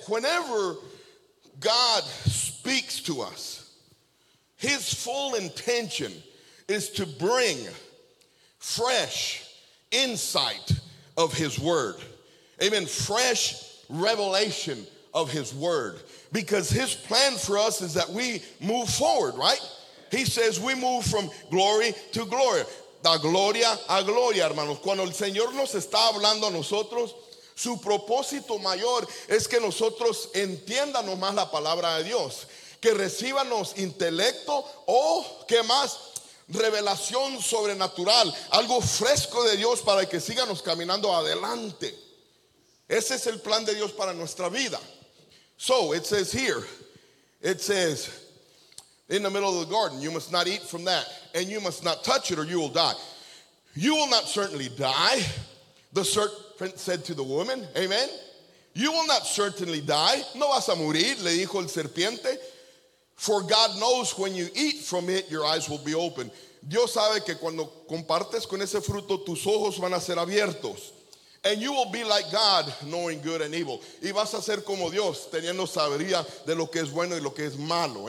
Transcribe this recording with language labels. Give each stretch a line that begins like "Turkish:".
English: Whenever God speaks to us, his full intention is to bring fresh insight of his word. Amen. Fresh revelation of his word. Because his plan for us is that we move forward, right? He says we move from glory to glory.
Spanish: Da gloria a gloria, hermanos. Cuando el Señor nos está hablando a nosotros, su propósito mayor es que nosotros entiéndanos más la palabra de Dios, que recibanos intelecto o, ¿qué más? Revelación sobrenatural, algo fresco de Dios para que sigamos caminando adelante. Ese es el plan de Dios para nuestra vida.
English: So, it says here, it says, in the middle of the garden, you must not eat from that, and you must not touch it or you will die. You will not certainly die, the serpent said to the woman, amen. You will not certainly die.
Spanish: No vas a morir, le dijo el serpiente.
English: For God knows when you eat from it, your eyes will be open.
Spanish: Dios sabe que cuando compartes con ese fruto, tus ojos van a ser abiertos.
English: And you will be like God, knowing good and evil.
Spanish: Y vas a ser como Dios, teniendo sabiduría de lo que es bueno y lo que es malo.